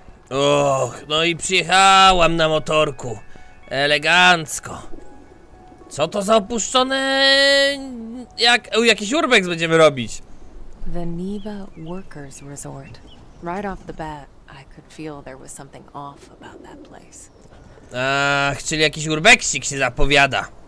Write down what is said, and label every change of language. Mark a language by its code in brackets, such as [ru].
[pl] Och, no i przyjechałam na motorku. Elegancko. Co to za opuszczone... Jak... jakiś urbex będziemy robić. [en] The Neva Workers Resort. Right off the bat, I could feel there was something off about that place. [pl] Ach, czyli jakiś urbeksik się zapowiada.